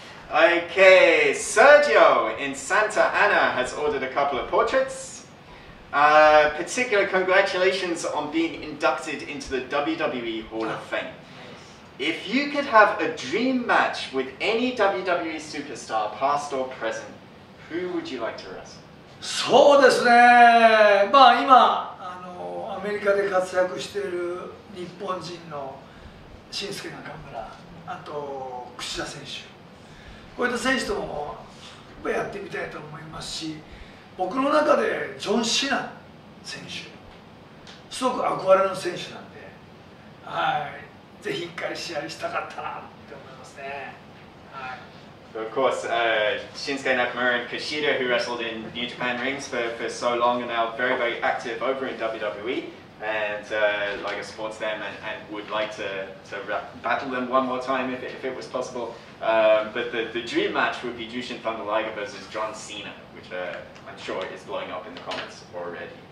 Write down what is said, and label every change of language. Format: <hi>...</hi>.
<en>Okay, Sergio in Santa Ana has ordered a couple of portraits. Particular congratulations on being inducted into the WWE Hall of Fame. If you could have a dream match with any WWE superstar, past or present, who would you like to wrestle?</en> <ja>そうですね。まあ今アメリカで活躍している日本人の新助中村、あと串田選手、こういった選手ともやっぱやってみたいと思いますし、僕の中でジョン・シナ選手、すごく憧れの選手なんで、はい。ぜひ一回試合したかったなって思いますね。はい。</ja> <en>Of course, Shinsuke Nakamura and Kushida, who wrestled in New Japan Rings for so long and now very, very active over in WWE, and Liger supports them and would like to battle them one more time if it was possible. But the dream match would be Jyushin Thunder Liger versus John Cena, which I'm sure is blowing up in the comments already.</en>